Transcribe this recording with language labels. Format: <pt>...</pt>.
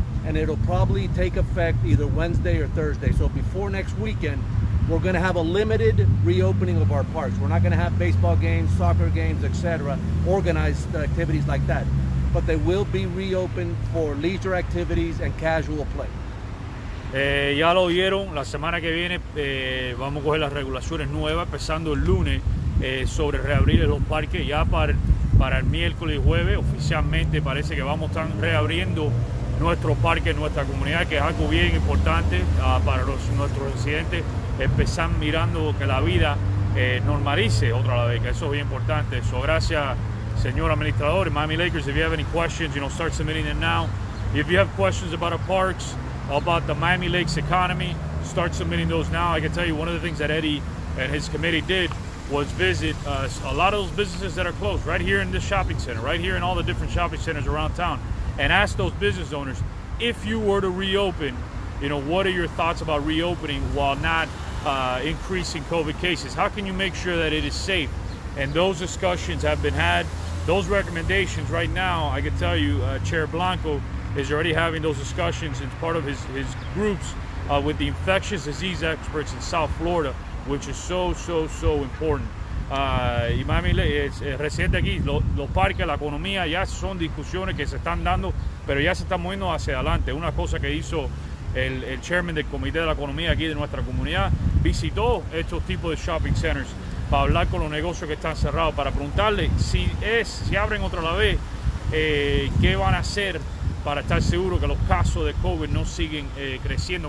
<en>And it'll probably take effect either Wednesday or Thursday. So before next weekend, we're going to have a limited reopening of our parks. We're not going to have baseball games, soccer games, etc., organized activities like that. But they will be reopened for leisure activities and casual play.</en> <es>Ya lo vieron, la semana que viene vamos a coger las regulaciones nuevas, empezando el lunes, sobre reabrir los parques. Ya para el miércoles y jueves, oficialmente parece que vamos a estar reabriendo nuestro parque, nuestra comunidad, que es algo bien importante para nuestros residentes. Empezar mirando que la vida normalice otra vez, que eso es bien importante. So, gracias, señor administrador.</es> <en>Miami Lakers, if you have any questions, you know, start submitting them now. If you have questions about our parks, about the Miami Lakes economy, start submitting those now. I can tell you one of the things that Eddie and his committee did was visit a lot of those businesses that are closed right here in this shopping center, right here in all the different shopping centers around town, and ask those business owners, if you were to reopen, you know, what are your thoughts about reopening while not increasing COVID cases? How can you make sure that it is safe? And those discussions have been had. Those recommendations right now, I can tell you, Chair Blanco is already having those discussions as part of his groups with the infectious disease experts in South Florida, which is so, so, so important.</en> <es>Y Miami es reciente aquí, los parques, la economía, ya son discusiones que se están dando, pero ya se están moviendo hacia adelante. Una cosa que hizo el chairman del Comité de la Economía aquí de nuestra comunidad, visitó estos tipos de shopping centers para hablar con los negocios que están cerrados, para preguntarle si abren otra vez, qué van a hacer para estar seguro que los casos de COVID no siguen creciendo.</es>